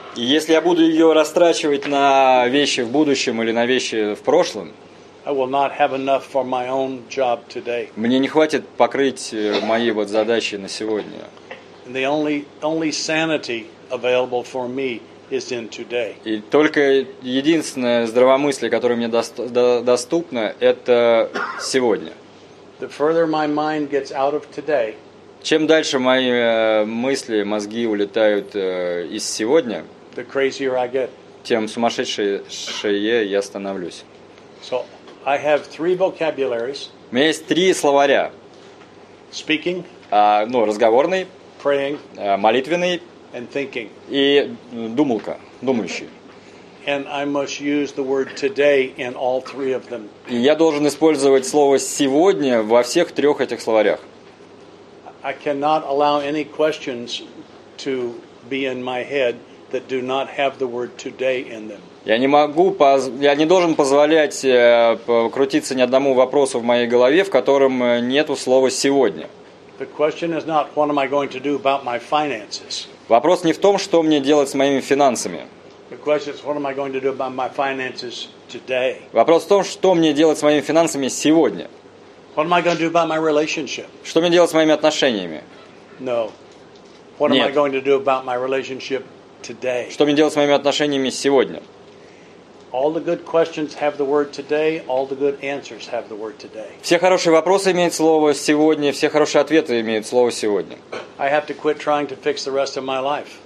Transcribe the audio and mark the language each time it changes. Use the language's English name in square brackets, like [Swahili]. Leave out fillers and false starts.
[Russian] И если я буду ее растрачивать на вещи в будущем или на вещи в прошлом. [English] I will not have enough for my own job today. [Russian] Мне не хватит покрыть мои вот задачи на сегодня. [English] And the only sanity available for me is in today. [Russian] И только единственное здравомыслие, которое мне доступно, это сегодня. [English] The further my mind gets out of today, [Russian] чем дальше мои мысли, мозги улетают из сегодня, [English] the crazier I get. [Russian] Тем сумасшедшее я становлюсь. [English] So, I have 3 vocabularies. [Russian] У меня есть 3 словаря. [English] Speaking. [Russian] Ну, разговорный. [English] Praying. [Russian] Молитвенный. [English] And thinking. [Russian] И думалка, думающий. [English] And I must use the word today in all 3 of them. [Russian] И я должен использовать слово сегодня во всех 3 этих словарях. [English] I cannot allow any questions to be in my head that do not have the word today in them. [Russian] Я не должен позволять крутиться ни одному вопросу в моей голове, в котором нету слова «сегодня». [English] The question is not, what am I going to do about my finances? [Russian] Вопрос не в том, что мне делать с моими финансами. [English] The question is, what am I going to do about my finances today? [Russian] Вопрос в том, что мне делать с моими финансами сегодня. [English] What am I going to do about my relationship? [Russian] Что мне делать с моими отношениями? [English] No. What am I going to do about my relationship today? [Russian] Что мне делать с моими отношениями сегодня? [English] All the good questions have the word today. All the good answers have the word today. [Russian] Все хорошие вопросы имеют слово сегодня. Все хорошие ответы имеют слово сегодня. [English] I have to quit trying to fix the rest of my life.